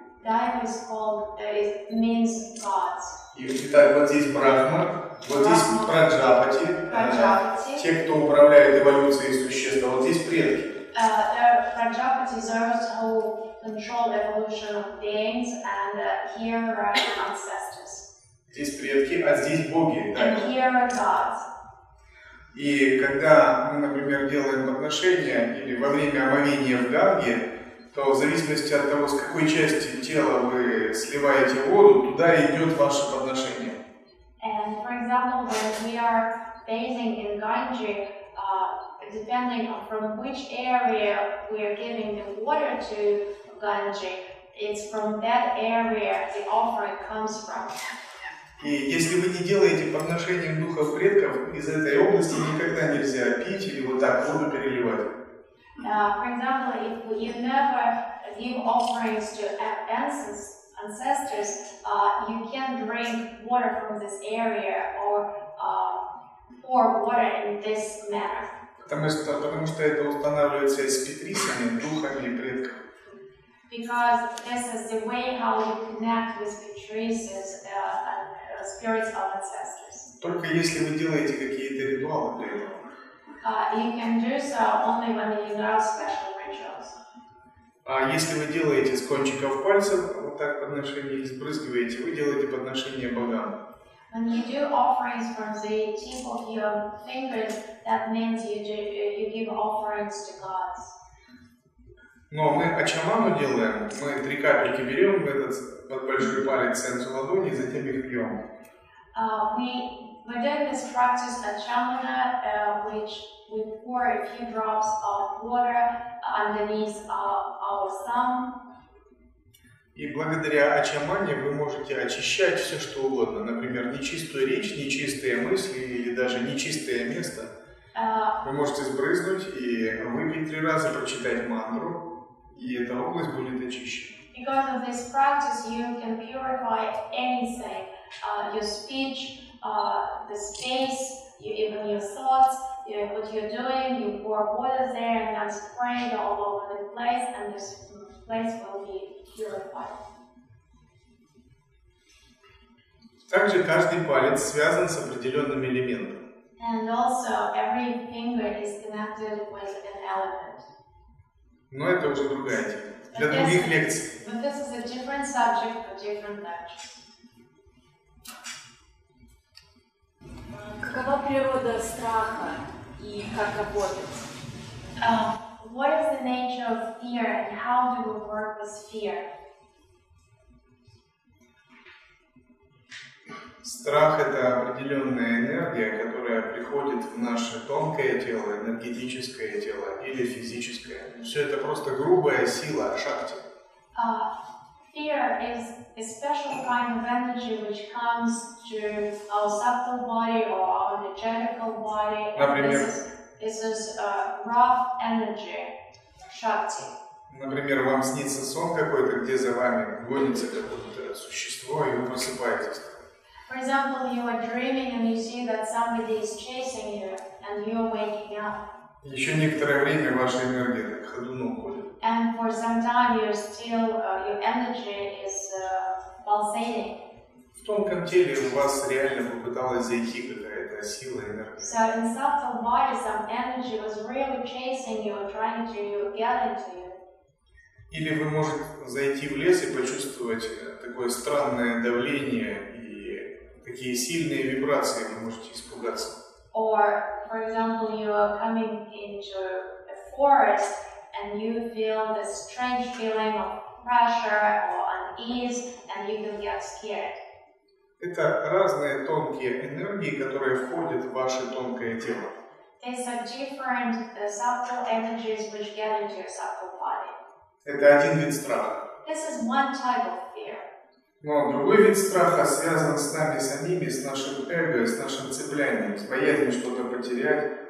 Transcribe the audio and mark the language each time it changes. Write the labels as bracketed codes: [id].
[en] Dive is called, it means gods. [ru] Итак, вот здесь Брахма, вот здесь Праджапати, Праджапати. Те, кто управляет эволюцией существа, вот здесь предки. [en] Праджапати is those who control evolution of beings, and here are ancestors. [ru] Здесь предки, а здесь боги. [en] And here are gods. [ru] И когда мы, например, делаем подношения, или во время омовения в Ганге, то в зависимости от того, с какой части тела вы сливаете воду, туда идет ваше подношение. [en] And for example, when we are bathing in Ganges, depending on from which area we are giving the water to Ganges, it's from that area the offering comes from. [ru] И если вы не делаете подношение духов предков, из этой области никогда нельзя пить или вот так воду переливать. [en] For example, if you never give offerings to ancestors, you can't drink water from this area or pour water in this manner. [ru] Потому что это устанавливает связь с питрисами, духами и предками. [en] Because this is the way how you connect with питрисис, spirits of ancestors. [ru] Только если вы делаете какие-то ритуалы для этого. [en] You can do so only when you do special rituals. [ru] Если вы делаете с кончиков пальцев вот так подношение и сбрызгиваете, вы делаете подношение богам. [en] When you do offerings from the tip of your fingers, that means you give offerings to gods. [ru] Но мы ачаману делаем, мы три капельки берем в этот под большой палец центру ладони, затем их пьем. [en] We do this practice at Chamana, which we pour a few drops of water underneath our thumb. [ru] И благодаря Ачамане вы можете очищать все, что угодно. Например, нечистую речь, нечистые мысли или даже нечистое место. Вы можете сбрызнуть и выпить 3 раза, прочитать мантру, и эта область будет очищена. [en] Because of this practice, you can purify anything, your speech, the space, even your thoughts, what you're doing, you pour water there and then spray it all over the place, and this place will be purified. [ru] Также каждый палец связан с определенным элементом. [en] And also every finger is connected with an element. [ru] Но это уже другая тема. Для других лекций. [en] But this is a different subject for different lectures. [ru] Какова природа страха и как работать? [en] What is the nature of fear and how do we work with fear? [ru] Страх — это определенная энергия, которая приходит в наше тонкое тело, энергетическое тело или физическое. Все это просто грубая сила, шакти. [en] Fear is a special kind of energy which comes through our subtle body or our energetic body. [ru] Например, [en] this is a rough energy, шакти. [ru] Например, вам снится сон какой-то, где за вами гонится какое-то существо, и вы просыпаетесь. [en] For example, you are dreaming and you see that somebody is chasing you and you are waking up. [ru] Еще некоторое время ваша энергия как ходуном ходит. [en] And for some time you're still, your energy is pulsating. [ru] В тонком теле у вас реально попыталась зайти какая-то сила, энергия. [en] So in subtle body some energy was really chasing you, trying to get into you. [ru] Или вы можете зайти в лес и почувствовать такое странное давление. Какие сильные вибрации вы можете испугаться. [en] Or, for example, you are coming into a forest and you feel the strange feeling of pressure or unease and you can get scared. [ru] Это разные тонкие энергии, которые входят в ваше тонкое тело. [en] These are different subtle energies which get into your subtle body. [ru] Это один вид страха. [en] This is one type of fear. [ru] Но другой вид страха связан с нами самими, с нашим эго, с нашим цеплянием, с боязнью что-то потерять.